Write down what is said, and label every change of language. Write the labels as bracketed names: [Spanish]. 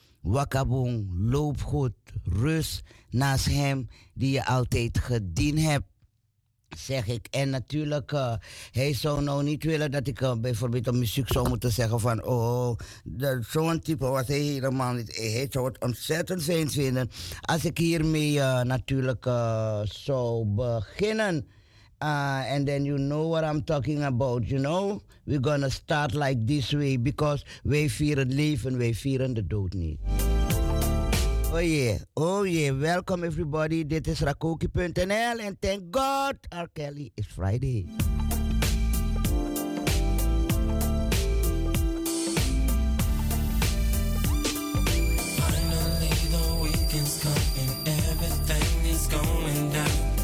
[Dutch] Wakaboom, loop goed, rust naast hem die je altijd gediend hebt. Zeg ik. En natuurlijk, hij zou nou niet willen dat ik bijvoorbeeld op muziek zou moeten zeggen van zo'n type was hij helemaal niet. Hij zou het ontzettend fijn vinden als ik hiermee natuurlijk zou beginnen. [English] And then you know what I'm talking about, you know? We're gonna start like this way because [Dutch] wij vieren het leven, wij vieren de dood niet. [English] Oh yeah, welcome everybody. This is Rakoki.nl and thank God R. Kelly is Friday. Finally the weekend's coming, everything is going down.